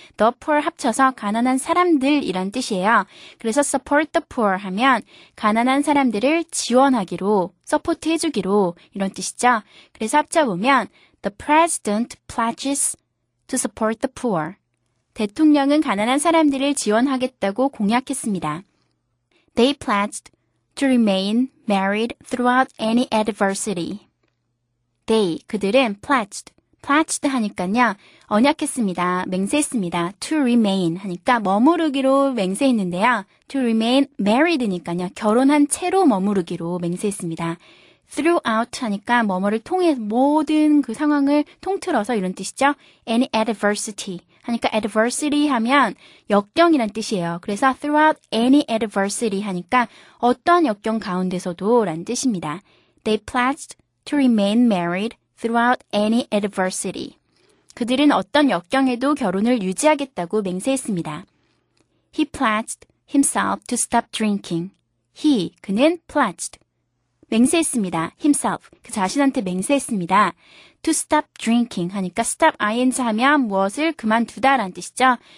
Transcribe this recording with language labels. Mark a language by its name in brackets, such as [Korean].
[English] the poor [Korean] 합쳐서 가난한 사람들이란 뜻이에요. 그래서 [English] support the poor [Korean] 하면 가난한 사람들을 지원하기로, support 해주기로 이런 뜻이죠. 그래서 합쳐보면 [English] the president pledges to support the poor. [Korean] 대통령은 가난한 사람들을 지원하겠다고 공약했습니다. [English] They pledged to remain married throughout any adversity. [Korean] They, 그들은 pledged, pledged 하니까요. 언약했습니다. 맹세했습니다. To remain 하니까 머무르기로 맹세했는데요. [English] To remain married니까요. [Korean] 결혼한 채로 머무르기로 맹세했습니다. Throughout 하니까 뭐뭐를 통해 모든 그 상황을 통틀어서 이런 뜻이죠. Any adversity 하니까 adversity 하면 역경이란 뜻이에요. 그래서 [English] throughout any adversity [Korean] 하니까 어떤 역경 가운데서도란 뜻입니다. [English] They pledged to remain married throughout any adversity. [Korean] 그들은 어떤 역경에도 결혼을 유지하겠다고 맹세했습니다. [English] He pledged himself to stop drinking. [Korean] 그는 [English] pledged. [Korean] 맹세했습니다. himself, 그 자신한테 맹세했습니다. [English] to stop drinking [Korean] 하니까 stop ing 하면 무엇을 그만두다라는 뜻이죠.